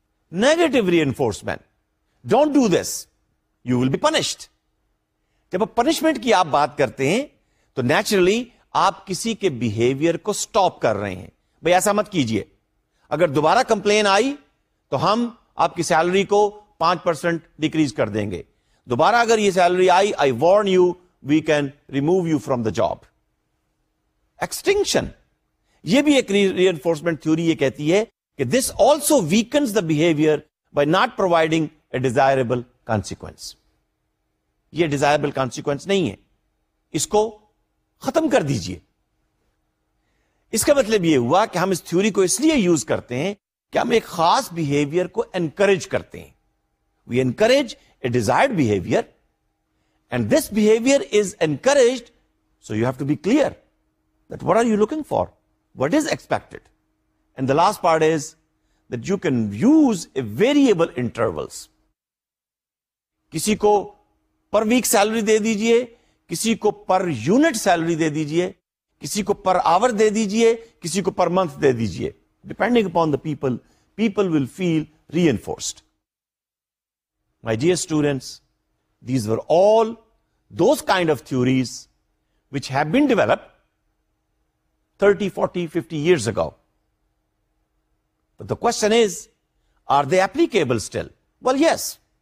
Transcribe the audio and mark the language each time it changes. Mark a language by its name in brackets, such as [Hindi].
[English] Negative reinforcement, don't do this, you will be punished. [Urdu] جب آپ punishment کی آپ بات کرتے ہیں تو نیچرلی آپ کسی کے بیہیویئر کو سٹاپ کر رہے ہیں. بھئی ایسا مت کیجئے, اگر دوبارہ کمپلین آئی تو ہم آپ کی سیلری کو 5% ڈیکریز کر دیں گے. دوبارہ اگر یہ salary I, [English] I warn you, we can remove you from the job. Extinction, [Urdu] یہ بھی ایک ری انفورسمنٹ تھیوری یہ کہتی ہے کہ [English] This also weakens the behaviour by not providing a desirable consequence. [Urdu] یہ ڈیزائربل کانسیکوینس نہیں ہے, اس کو ختم کر دیجئے. اس کا مطلب یہ ہوا کہ ہم اس تھیوری کو اس لیے یوز کرتے ہیں کہ ہم ایک خاص بیہیویئر کو انکریج کرتے ہیں. [English] We encourage a desired behaviour, and this behaviour is encouraged, so you have to be clear that what are you looking for, what is expected, and the last part is that you can use a variable intervals. [Urdu] کسی کو per week salary دے دیجئے, کسی کو per unit salary دے دیجئے, کسی کو پر آور دے دیجئے, کسی کو پر منتھ دے دیجئے. [English] Depending upon the people, people will feel reinforced. My dear students, these were all those kind of theories which have been developed 30, 40, 50 years ago. But the question is, are they applicable still? Well, yes.